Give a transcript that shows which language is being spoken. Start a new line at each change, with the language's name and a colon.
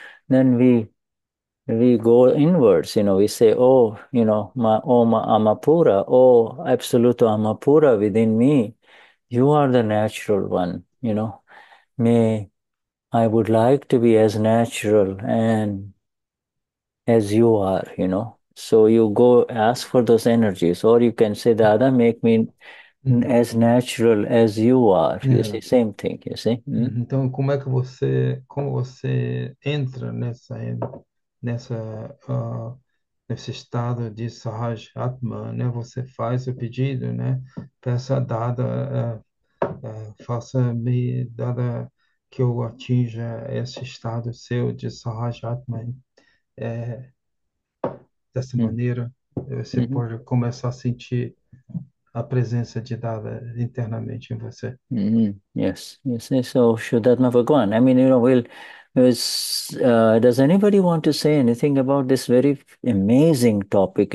English: Then we go inwards, we say, oh, ma oh ma amapura, oh absoluto amapura within me, you are the natural one, may I would like to be as natural and as you are, So you go ask for those energies, or you can say, Dada, make me as natural as you are. You see, same thing, you see.
Portuguese: Então, como você entra nesse estado de Sahaj Atman, né? Você faz o pedido, né? Peça dada, faça-me dada que eu atinja esse estado seu de Sahaj Atman. Dessa maneira, você pode começar a sentir a presença de Dada internamente em você.
English: So should that never go on? I mean, does anybody want to say anything about this very amazing topic?